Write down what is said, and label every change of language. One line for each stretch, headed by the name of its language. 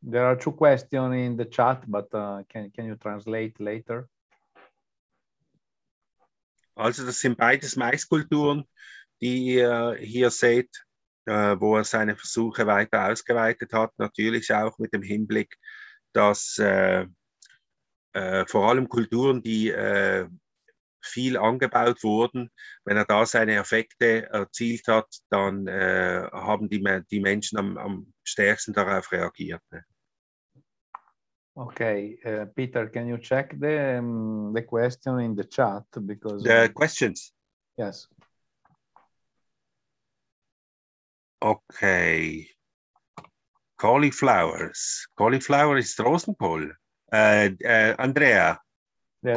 English: There are two questions in the chat, but can you translate later?
German: Also, das sind beides Maiskulturen, die ihr hier seht, wo er seine Versuche weiter ausgeweitet hat. Natürlich auch mit dem Hinblick, dass... vor allem Kulturen, die viel angebaut wurden, wenn er da seine Effekte erzielt hat, dann haben die Menschen am stärksten darauf reagiert. Ne?
English: Okay, Peter, can you check the question in the chat? Because the questions? Yes. Okay. Cauliflowers. Cauliflower is Rosenkohl. Andrea, yes.